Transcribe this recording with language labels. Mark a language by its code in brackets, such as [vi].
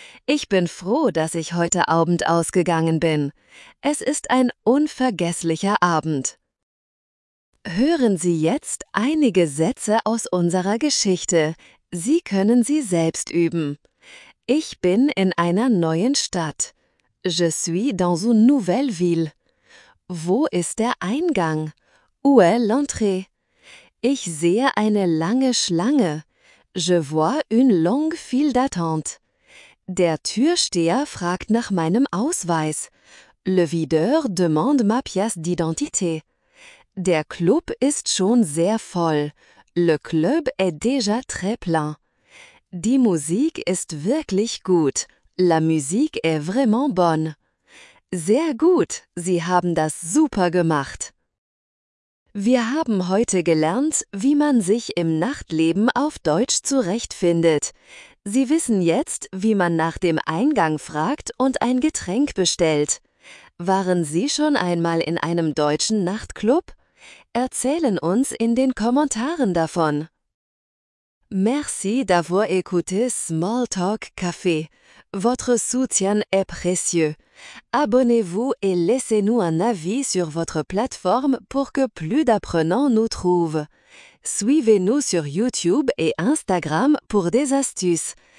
[de] Ich bin froh, dass ich heute Abend ausgegangen bin. Es ist ein unvergesslicher Abend. Hören Sie jetzt einige Sätze aus unserer Geschichte. Sie können sie selbst üben. Ich bin in einer neuen Stadt. [fr] Je suis dans une nouvelle ville. [de] Wo ist der Eingang? [fr] Où est l'entrée? [de] Ich sehe eine lange Schlange. [fr] Je vois une longue file d'attente. [de] Der Türsteher fragt nach meinem Ausweis. [fr] Le videur demande ma pièce d'identité. [de] Der Club ist schon sehr voll. [fr] Le club est déjà très plein. [de] Die Musik ist wirklich gut. [fr] La musique est vraiment bonne. [de] Sehr gut, Sie haben das super gemacht. Wir haben heute gelernt, wie man sich im Nachtleben auf Deutsch zurechtfindet. Sie wissen jetzt, wie man nach dem Eingang fragt und ein Getränk bestellt. Waren Sie schon einmal in einem deutschen Nachtclub? Erzählen uns in den Kommentaren davon. [fr] Merci d'avoir écouté Small Talk Café. Votre soutien est précieux. Abonnez-vous et laissez-nous un avis sur votre plateforme pour que plus d'apprenants nous trouvent. Suivez-nous sur YouTube et Instagram pour des astuces.